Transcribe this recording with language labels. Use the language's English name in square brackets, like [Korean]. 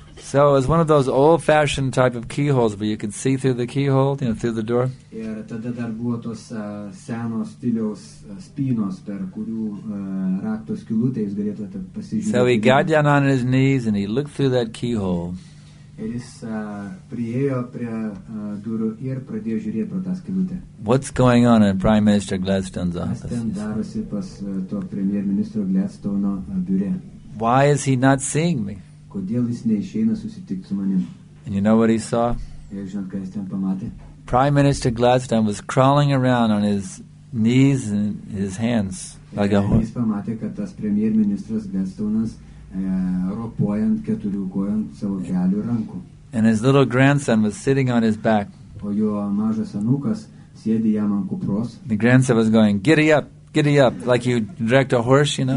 [English] So it was one of those old-fashioned type of keyholes where you could see through the keyhole, you know, through the door. [Lithuanian] Ir tada dar buvo tos senos stiliaus spynos, per kurių rakto skylutę jis galėtų pasižiūrėti. [English] So he got down on his knees and he looked through that keyhole. [Lithuanian] Ir jis priėjo prie durų ir pradėjo žiūrėti pro tą skylutę. [English] What's going on in Prime Minister Gladstone's office? [Lithuanian] Kas ten darosi pas to premier ministro Gladstone'o biure? [English] Why is he not seeing me? [Lithuanian] Kodėl jis neišeina susitikti su manim? [English] And you know what he saw? [Lithuanian] Ir žinot, ką jis ten pamatė? [English] Prime Minister Gladstone was crawling around on his knees and his hands. [Lithuanian] Jis pamatė, kad tas premier ministras Gladstone'as ropojant keturių kojant savo kelių rankų. [English] And his little grandson was sitting on his back. [Lithuanian] O jo mažas anukas sėdi jam ant kupros. [English] The grandson was going, giddy up, like you direct a horse, you know.